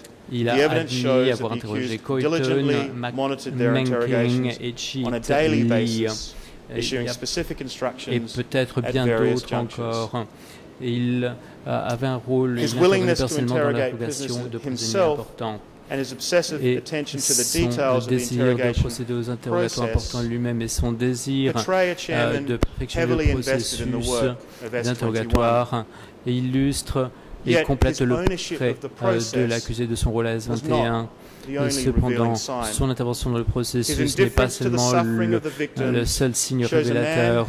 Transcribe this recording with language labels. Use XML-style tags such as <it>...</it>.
<fr>Il a admis avoir interrogé Coyton, Mankin et Chitli, et peut-être bien d'autres encore. Il avait un rôle personnellement dans l'interrogation de prisonniers importants.</fr> <en>And his obsessive et attention to the details</en> <fr>son désir</fr> <en>of the</en> <fr>de procéder aux interrogatoires importants lui-même et son désir de perfectionner le processus d'interrogatoire illustre et complète le trait de l'accusé de son rôle à S21. Et cependant, son intervention dans le processus n'est pas seulement le seul signe révélateur.</fr>